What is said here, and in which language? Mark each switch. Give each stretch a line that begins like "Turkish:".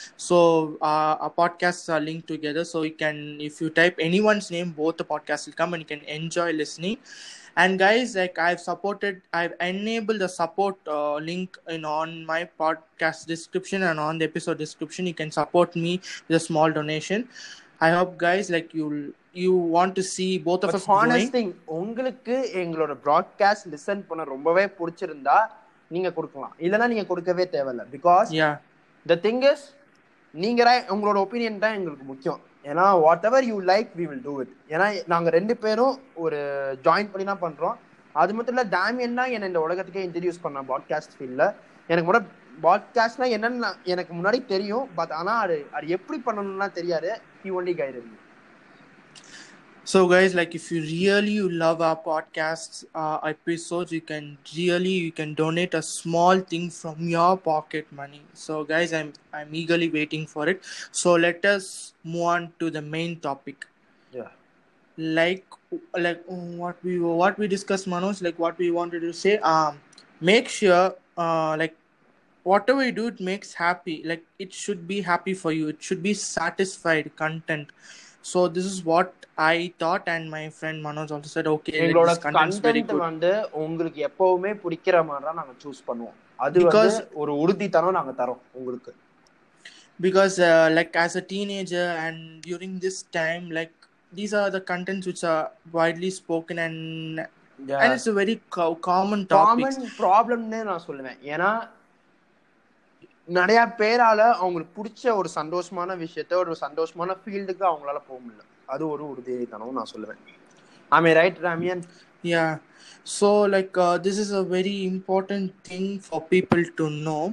English: So our podcasts are linked together. So you can, if you type anyone's name, both the podcasts will come and you can enjoy listening. And guys, like I've enabled the support link in on my podcast description and on the episode description. You can support me with a small donation. I hope guys, like you want to see both of us growing. Honest thing,
Tamil: உங்களுக்கு எங்களோட broadcast listen பண்ண ரொம்பவே பிடிச்சிருந்தா நீங்க கொடுக்கலாம், இல்லைன்னா நீங்க கொடுக்கவே தேவையில்ல.
English: Because yeah, the thing is,
Tamil: நீங்க உங்களோட opinion தான் எங்களுக்கு முக்கியம். ஏன்னா
English: Whatever you like we will do it.
Tamil: ஏன்னா நாங்கள் ரெண்டு பேரும் ஒரு ஜாயின் பண்ணி தான் பண்ணுறோம். அது மட்டும் இல்லை, தாமியன் தான் என்னை இந்த உலகத்துக்கே இன்ட்ரடியூஸ் பண்ண பாட்காஸ்ட் ஃபீல்டில். எனக்கு முன்னாடி பாட்காஸ்ட்னா என்னன்னு எனக்கு முன்னாடி தெரியும், பட் ஆனால் அது எப்படி பண்ணணும்னா தெரியாது.
English: He only guide me. So guys, like if you really love our podcast episodes, you can donate a small thing from your pocket money. So guys, I'm eagerly waiting for it. So let us move on to the main topic. Yeah like what we discussed, Manoj, like what we wanted to say, make sure like whatever you do, it makes happy. Like it should be happy for you, it should be satisfied, content. So this is what I thought and my friend Manoj also said, okay, this content is very good.
Tamil: வந்து உங்களுக்கு எப்பவுமே பிடிக்கிற மாதிரி தான் நாங்க choose பண்ணுவோம். அது வந்து ஒரு உறுதித்தனம் நாங்க தரோம் உங்களுக்கு.
English: Because like as a teenager and during this time, like these are the contents which are widely spoken and yeah, and it's a very common topic.
Tamil: Common problem னே நான் சொல்லுவேன். ஏனா நிறைய பேரால அவங்களுக்கு பிடிச்ச ஒரு சந்தோஷமான விஷயத்த ஒரு சந்தோஷமான ஃபீல்டுக்கு அவங்களால போக முடியல. அது ஒரு உறுதியைத்தனம் நான் சொல்லுவேன். ஆமே right ramyeon.
English: Yeah, so like this is a very important thing for people to know.